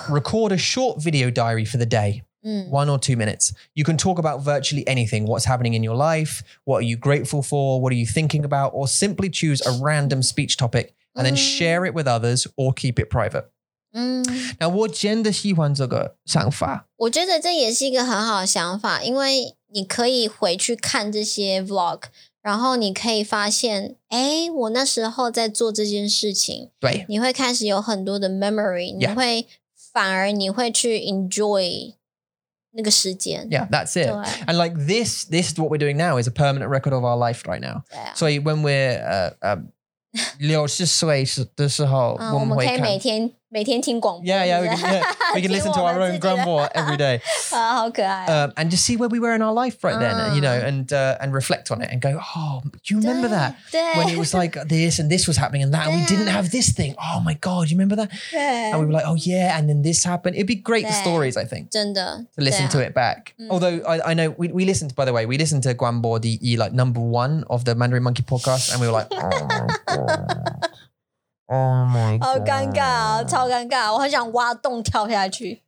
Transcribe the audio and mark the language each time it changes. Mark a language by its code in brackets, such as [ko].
[en] Record a short video diary for the day. 1 or 2 minutes. You can talk about virtually anything. What's happening in your life? What are you grateful for? What are you thinking about? Or simply choose a random speech topic and then share it with others or keep it private. [zh] Now, 我真的喜欢这个想法。我觉得这也是一个很好的想法，因为你可以回去看这些 vlog， 然后你可以发现，哎，我那时候在做这件事情。对。你会开始有很多的 memory， 你会反而你会去 enjoy 那个时间。 [en] Yeah, that's it. And like this is what we're doing now is a permanent record of our life right now. [zh] 对啊。所以 [en] when we're [zh] 六十岁的时候，我们可以每天听广播。 [en] We can listen to our own grumble every day. [zh] 啊，好可爱。 [en] And just see where we were in our life right then, you know, and reflect on it and go, oh, do you remember that? When it was like this and this was happening and that, and we didn't have this thing. Oh my God, you remember that? And we were like, oh yeah, and then this happened. It'd be great, the stories, I think. [zh] 真的。 [en] To listen to it back. Although I know, we listened, by the way, we listened to Guanbo DE, like number one of the Mandarin Monkey podcast, and we were like, oh my God. Oh my God. [zh] Oh, 尴尬，超尴尬，我很想挖洞跳下去。